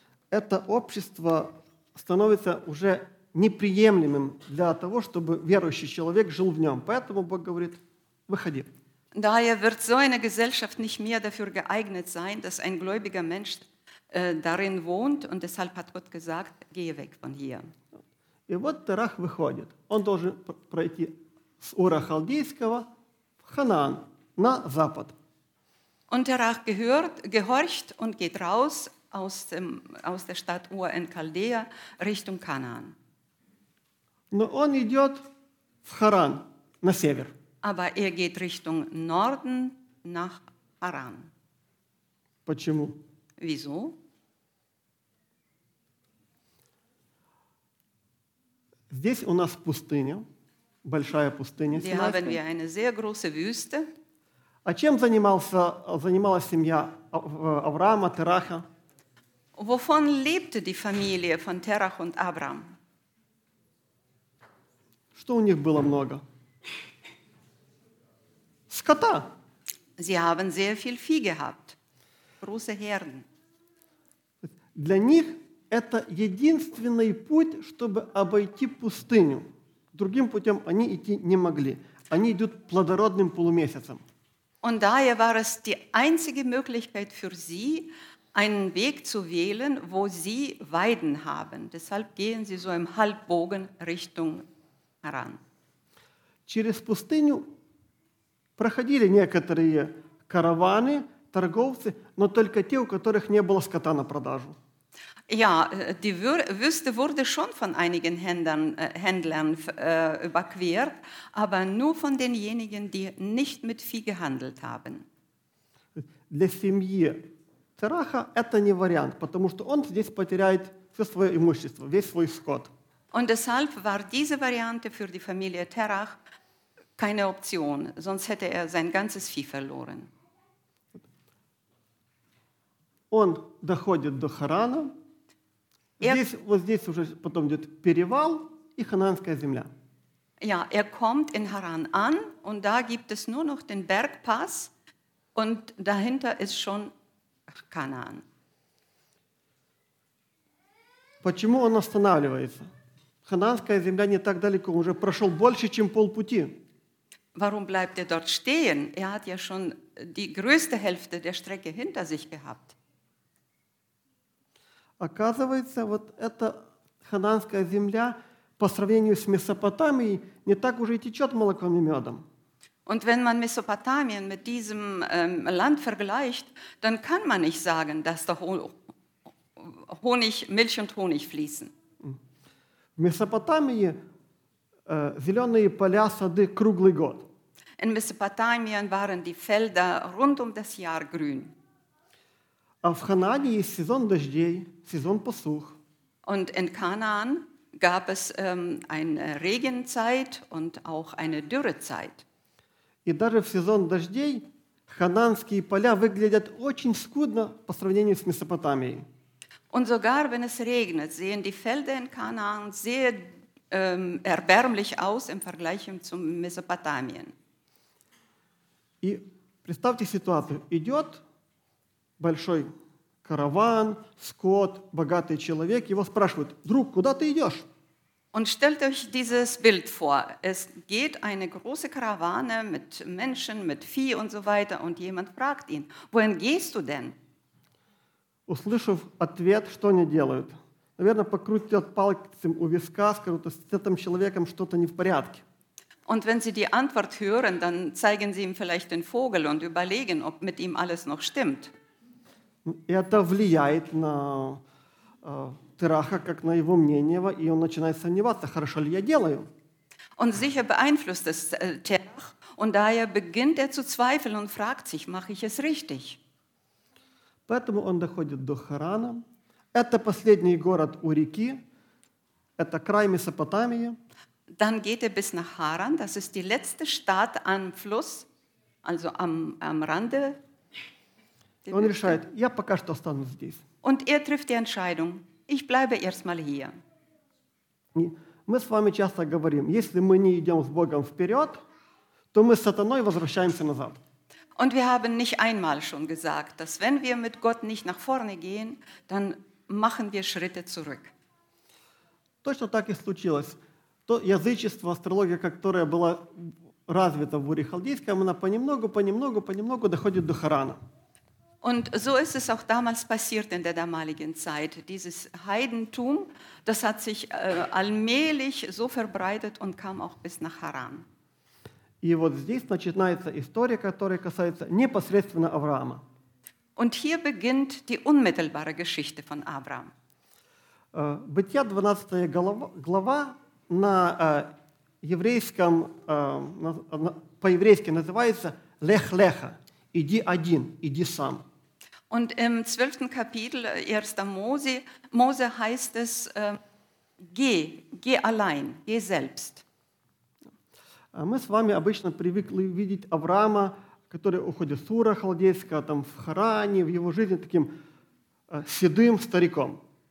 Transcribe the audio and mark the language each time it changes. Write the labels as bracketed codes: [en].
[ru] Это общество становится уже неприемлемым для того, чтобы верующий человек жил в нем. Поэтому Бог говорит: выходи. [de] Daher wird so eine Gesellschaft nicht mehr dafür geeignet sein, dass ein gläubiger Mensch darin wohnt, und deshalb hat Gott gesagt: geh weg von hier. [ru] И вот Терах выходит. Он должен пройти с Ура Халдейского в Ханаан на запад. [de] Und Terach gehorcht und geht raus aus der Stadt Ur in Chaldea Richtung Kanaan. [ru] Но он идет в Харан, на север. [de] Aber er geht Richtung Norden nach Haran. [ru] Почему? [de] Wieso? [ru] Здесь у нас пустыня, большая пустыня. [de] Hier haben wir eine sehr große Wüste. [ru] А чем занималась семья Авраама, Тераха? [de] Wovon lebte die Familie von Terach und Abraham? [ru] Что у них было много? Скота. [de] Sie haben sehr viel Vieh gehabt. Große Herden. [ru] Для них это единственный путь, чтобы обойти пустыню. Другим путем они идти не могли. Они идут плодородным полумесяцем. [de] Und daher war es die einzige Möglichkeit für sie, einen Weg zu wählen, wo sie Weiden haben. Deshalb gehen sie so im Halbbogen Richtung Haran. [ru] Через пустыню проходили некоторые караваны, торговцы, но только те, у которых не было скота на продажу. [de] Ja, die Wüste wurde schon von einigen Händlern überquert, aber nur von denjenigen, die nicht mit Vieh gehandelt haben. [ru] Для семьи Цераха это не вариант, потому что он здесь потеряет все свое имущество, весь свой скот. [de] Und deshalb war diese Variante für die Familie Terach keine Option, sonst hätte er sein ganzes Vieh verloren. [ru] Он доходит до Харана. Здесь, вот здесь уже потом идет перевал и Ханаанская земля. [de] Ja, er kommt in Haran an und da gibt es nur noch den Bergpass und dahinter ist schon Kanaan. [ru] Почему он останавливается? Ханаанская земля не так далеко, он уже прошел больше, чем полпути. [de] Warum bleibt er dort stehen? Er hat ja schon die größte Hälfte der Strecke hinter sich gehabt. [ru] Оказывается, вот эта Ханаанская земля по сравнению с Месопотамией не так уже и течет молоком и медом. [de] Und wenn man Mesopotamien mit diesem Land vergleicht, dann kann man nicht sagen, dass da Honig, Milch und Honig fließen. [ru] В Месопотамии зеленые поля, сады круглый год. [de] In Mesopotamien waren die Felder rund um das Jahr grün. [ru] А в Ханаане есть сезон дождей, сезон посух. [de] Und in Kanaan gab es eine Regenzeit und auch eine Dürrezeit. [ru] И даже в сезон дождей хананские поля выглядят очень скудно по сравнению с Месопотамией. [de] Und sogar wenn es regnet, sehen die Felder in Kanaan sehr erbärmlich aus im Vergleich zu Mesopotamien. [ru] И представьте ситуацию. Идет большой караван, скот, богатый человек. Его спрашивают, друг, куда ты идешь? [de] Und stellt euch dieses Bild vor. Es geht eine große Karawane mit Menschen, mit Vieh und so weiter. Und jemand fragt ihn, wohin gehst du denn? [ru] Услышав ответ, что они делают? Наверное, покрутят пальцем у виска, скажут, с этим человеком что-то не в порядке. [de] Und wenn sie die Antwort hören, dann zeigen sie ihm vielleicht den Vogel und überlegen, ob mit ihm alles noch stimmt. [ru] Это влияет на Тераха, как на его мнение, и он начинает сомневаться, хорошо ли я делаю. [de] Und sicher beeinflusst es Terach, und daher beginnt zu zweifeln und fragt sich, mache ich es richtig? [ru] Поэтому он доходит до Харана. Это последний город у реки. Это край Месопотамии. [de] Dann geht bis nach Haran, das ist die letzte Stadt am Fluss, also am Rande. [ru] Он решает, я пока что останусь здесь. [de] Und trifft die Entscheidung, ich bleibe erstmal hier. [ru] Мы с вами часто говорим, если мы не идем с Богом вперед, то мы с сатаной возвращаемся назад. [de] Und wir haben nicht einmal schon gesagt, dass wenn wir mit Gott nicht nach vorne gehen, dann machen wir Schritte zurück. [ru] Точно так и случилось. То язычество, астрология, которая была развита в Урихалдейском, она понемногу доходит до Харана. [de] Und so ist es auch damals passiert in der damaligen Zeit. Dieses Heidentum, das hat sich allmählich so verbreitet und kam auch bis nach Haran. [ru] И вот здесь начинается история, которая касается непосредственно Авраама. [de] Und hier beginnt die unmittelbare Geschichte von Abraham. [ru] Бытие 12 глава на еврейском, по-еврейски называется «Лех Леха» – «Иди один, иди сам». [de] Und im 12. Kapitel 1. Mose heißt es, geh allein, geh selbst. [ru] Мы с вами обычно привыкли видеть Авраама, который уходит с Ура Халдейского, там в Харане, в его жизни таким седым стариком.